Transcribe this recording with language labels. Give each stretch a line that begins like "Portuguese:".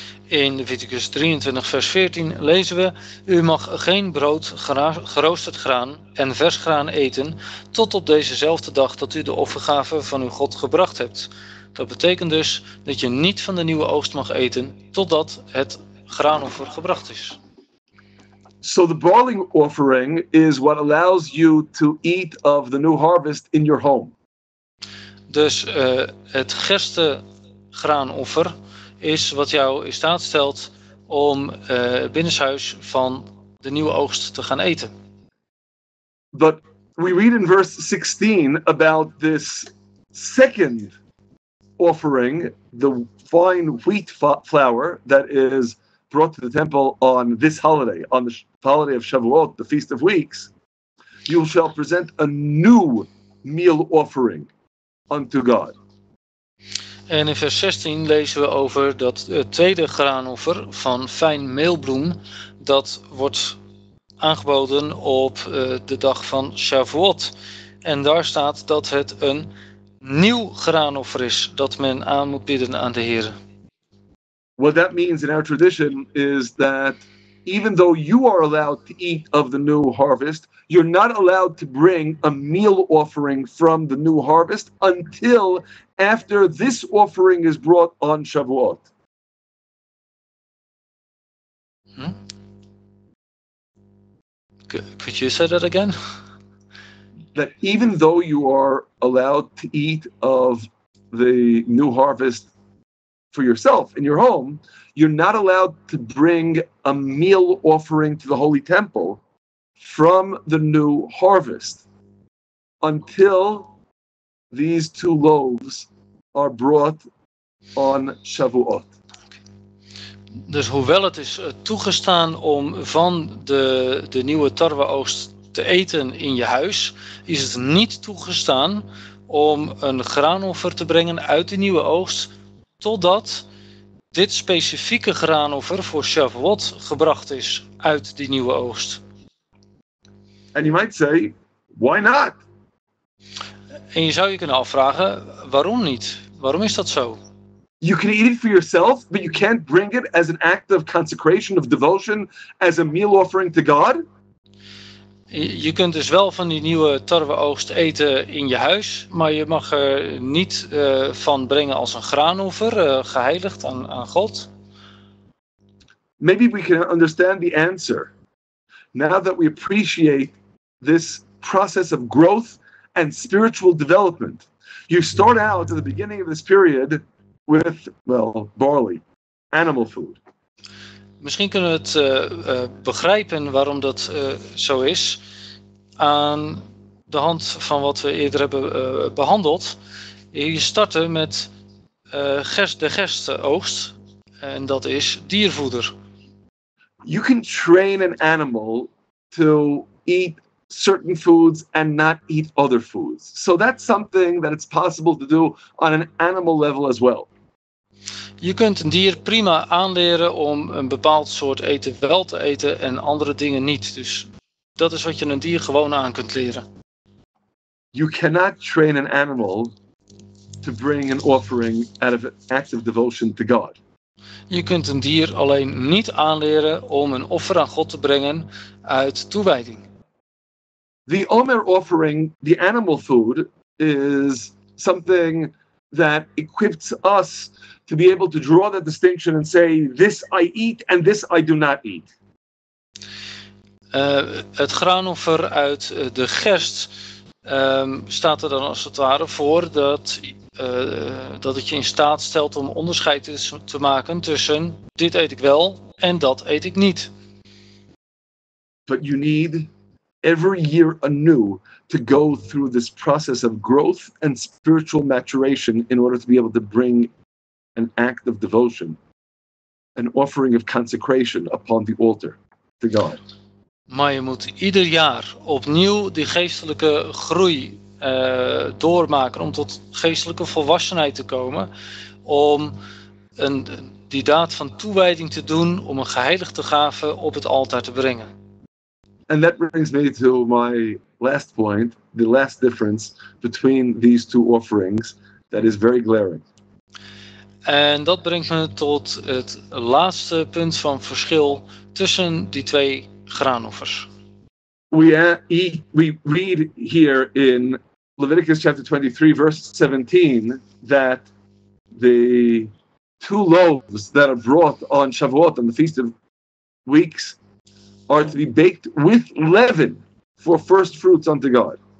Dutch: In Leviticus 23, vers 14 lezen we, u mag geen brood, geroosterd graan en vers graan eten tot op dezezelfde dag dat u de offergave van uw God gebracht hebt. Dat betekent dus dat je niet van de nieuwe oogst mag eten totdat het graanoffer gebracht is.
English: So the barley offering is what allows you to eat of the new harvest in your home.
Dutch: Dus het gerstegraanoffer is wat jou in staat stelt om binnenshuis van de nieuwe oogst te gaan eten.
English: But we read in verse 16 about this second offering, the fine wheat flour that is brought to the temple on this holiday, on the holiday of Shavuot, the Feast of Weeks, you shall present a new meal offering unto God.
Dutch: En in vers 16 lezen we over dat tweede graanoffer van fijn meelbloem dat wordt aangeboden op de dag van Shavuot. En daar staat dat het een nieuw graanoffer is dat men aan moet bieden aan de Heer.
English: What that means in our tradition is that even though you are allowed to eat of the new harvest, you're not allowed to bring a meal offering from the new harvest until after this offering is brought on Shavuot. Could you say that again? That even though you are allowed to eat of the new harvest for yourself in your home, you're not allowed to bring a meal offering to the Holy Temple from the new harvest until these two loaves are brought on Shavuot.
Dutch: Dus hoewel het is toegestaan om van de nieuwe tarweoogst te eten in je huis, is het niet toegestaan om een graanoffer te brengen uit de nieuwe oogst, totdat dit specifieke graanoffer voor Shavuot gebracht is uit die nieuwe oogst.
English: And you might say, why not?
Dutch: En je zou je kunnen afvragen, waarom niet? Waarom is dat zo?
English: You can eat it for yourself, but you can't bring it as an act of consecration, of devotion, as a meal offering to God.
Dutch: Je kunt dus wel van die nieuwe tarweoogst eten in je huis, maar je mag er niet van brengen als een graanoffer, geheiligd aan God.
English: Maybe we can understand the answer. Now that we appreciate this process of growth and spiritual development, you start out at the beginning of this period with, well, barley, animal food.
Dutch: Misschien kunnen we het begrijpen waarom dat zo is aan de hand van wat we eerder hebben behandeld. Je startte met de gerstenoogst en dat is diervoeder.
English: You can train an animal to eat certain foods and not eat other foods. So that's something that it's possible to do on an animal level as well.
Dutch: Je kunt een dier prima aanleren om een bepaald soort eten wel te eten en andere dingen niet. Dus dat is wat je een dier gewoon aan kunt leren.
English: You cannot train an animal to bring an offering out of an act of devotion to God.
Dutch: Je kunt een dier alleen niet aanleren om een offer aan God te brengen uit toewijding.
English: The Omer offering, the animal food, is something that equips us to be able to draw that distinction and say, this I eat and this I do not eat.
Dutch: Het graanoffer uit de gerst staat er dan als het ware voor dat het je in staat stelt om onderscheid te maken tussen dit eet ik wel en dat eet ik niet.
English: But you need every year anew to go through this process of growth and spiritual maturation in order to be able to bring an act of devotion, an offering of consecration upon the altar to God.
Dutch: Maar je moet ieder jaar opnieuw die geestelijke groei doormaken om tot geestelijke volwassenheid te komen, om die daad van toewijding te doen, om een geheiligde gave op het altaar te brengen.
English: And that brings me to my last point, the last difference between these two offerings that is very glaring.
Dutch: En dat brengt me tot het laatste punt van verschil tussen die twee graanoffers.
English: We read here in Leviticus chapter 23 verse 17 that the two loaves that are brought on Shavuot, on the Feast of Weeks, are to be baked with leaven for first fruits unto God.